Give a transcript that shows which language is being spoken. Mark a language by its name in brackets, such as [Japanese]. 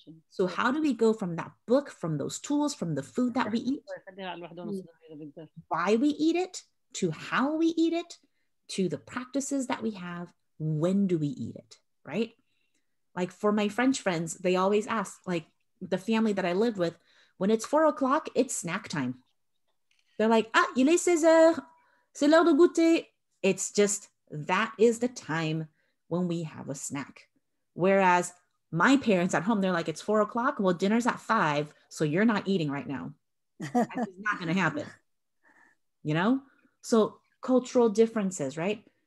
[English] So how do we go from that book, from those tools, from the food that we eat, why we eat it, to how we eat it, to the practices that we have, when do we eat it, right? Like for my French friends, they always ask, like the family that I lived with, when it's 4 o'clock, it's snack time. They're like, [French] ah, il est 16 heures, c'est l'heure de goûter. [English] It's just, that is the time when we have a snack. Whereas my parents at home, they're like, it's 4 o'clock. Well, dinner's at 5, so you're not eating right now. That's not gonna happen, you know? So cultural differences, right?